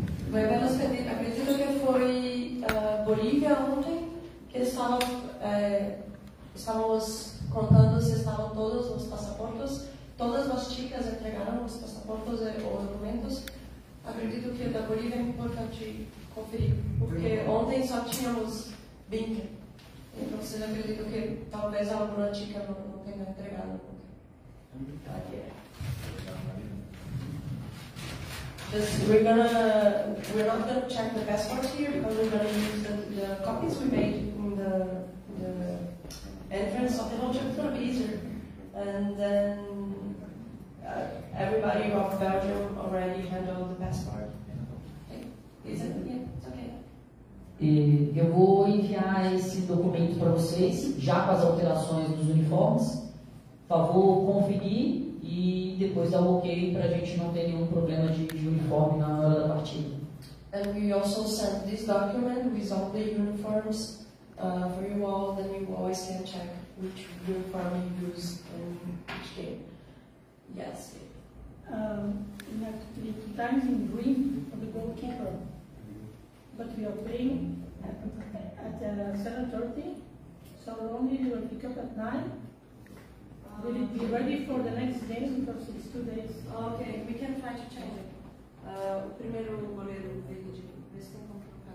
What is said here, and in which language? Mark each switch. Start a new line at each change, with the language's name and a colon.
Portuguese: Vai apenas pedir, acredito que foi Bolívia ontem, que estávamos contando se estavam todos os passaportes, todas as chicas entregaram os passaportes ou documentos. Acredito que da Bolívia é importante conferir, porque ontem só tínhamos 20. Então, vocês acredito que talvez alguma chica não tenha entregado. Aqui é.
English: We're not going to check the passports here, because we're going to use the copies we made in the entrance of the hotel. It's going to be easier. And then everybody of Belgium already handled the passport. Okay. Is it? Yeah, it's okay.
Portuguese: Eu vou enviar esse documento para vocês, já com as alterações dos uniformes. Por favor, conferir. E depois dá um ok para a gente não ter nenhum problema de uniforme na hora da partida.
English: And we also sent this document with all the uniforms for you all, then you always can check which uniform you use in which game. Yes. We have to be 2 times in green for the goalkeeper. But we are playing at 7:30, so we only will pick up at 9. Will it be ready for the next day? Because it's 2 days. Ok, we can try to change it.
Portuguese: O primeiro goleiro veio de vez em quando.